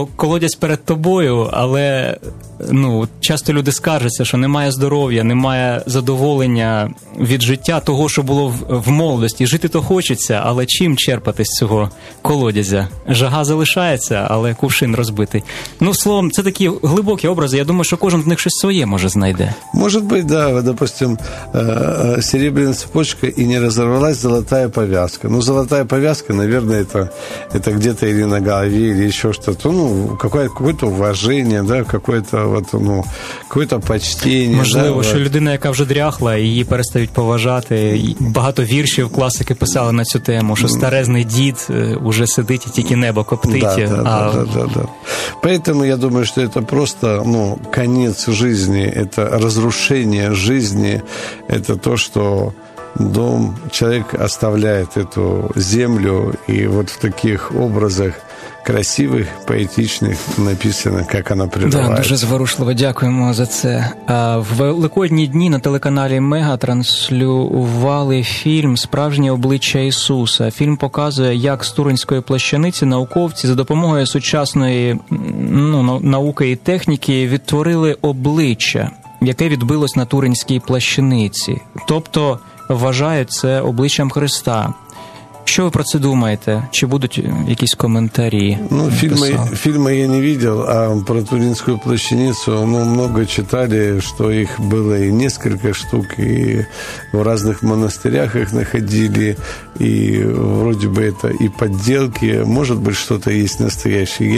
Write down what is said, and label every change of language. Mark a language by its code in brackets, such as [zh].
[uk] Колодязь перед тобою, але ну, часто люди скаржаться, що немає здоров'я, немає задоволення від життя того, що було в молодості. Жити то хочеться, але чим черпати з цього колодязя? Жага залишається, але кувшин розбитий. Ну, словом, це такі глибокі образи. Я думаю, що кожен з них щось своє може знайде. Може бути, да. Допустимо, серебряна цепочка і не розорвалась [ru] золотая повязка. Ну, золотая повязка, наверное, это где-то или на голове, или еще что-то. Ну, какое-то уважение, да, какое-то почтение. [uk] Можливо, да, що людина, яка вже дряхла, її перестають поважати. Багато віршів класики писали на цю тему, що старезний дід уже сидить і тільки небо коптить. Да. [ru] Поэтому я думаю, что это просто, ну, конец жизни, это разрушение жизни, это то, что дом, человек оставляет эту землю, и вот в таких образах, [uk] красивий, поетичний, написано, як вона приривається. Да, дуже зворушливо, дякуємо за це. В великодні дні на телеканалі Мега транслювали фільм «Справжнє обличчя Ісуса». Фільм показує, як з Туринської плащаниці науковці за допомогою сучасної науки і техніки відтворили обличчя, яке відбилось на Туринській плащаниці. Тобто, вважають це обличчям Христа. [ru] Что вы про это думаете? Чи будут какие-то комментарии? Ну, фильмы я не видел, а про Туринскую плащаницу много читали, что их было и несколько штук, и в разных монастырях их находили, и вроде бы это и подделки, может быть, что-то есть настоящее.